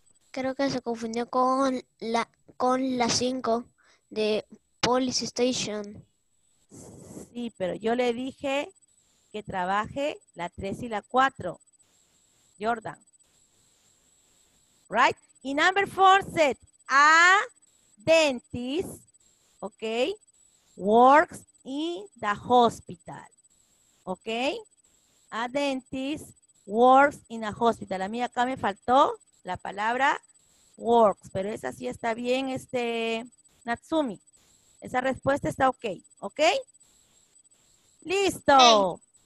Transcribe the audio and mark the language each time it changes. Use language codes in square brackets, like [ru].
[es] Creo que se confundió con la 5 de Police Station. Sí, pero yo le dije que trabaje la 3 y la 4. [en] Jordan. Right? Y number 4 said, a dentist, okay, works in the hospital. Okay? A dentist works in a hospital. [es] A mí acá me faltó la palabra works, pero esa sí está bien, Natsumi. Esa respuesta está okay, ¿okay? ¡Listo!